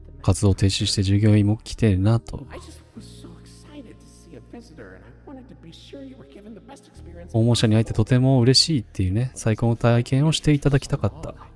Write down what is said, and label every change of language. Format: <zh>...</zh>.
<ja>活動停止して従業員も来てるなと。</ja> <en>I just was so excited to see a visitor, and I wanted to be sure you were given the best experience.</en> <ja>訪問者に会えてとても嬉しいっていうね、最高の体験をしていただきたかった。</ja>